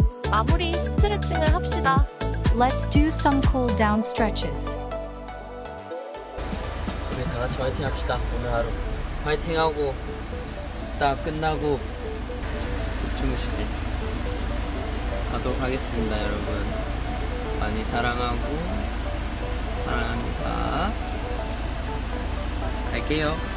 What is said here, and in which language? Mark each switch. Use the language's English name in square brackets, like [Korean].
[Korean] 마무리 스트레칭을 합시다. [English] Let's do some cool down stretches. [Korean] 우리 다 같이 화이팅 합시다. 오늘 하루 화이팅 하고 딱 끝나고 주무시게 가도록 하겠습니다. 여러분 많이 사랑하고 사랑합니다. 갈게요.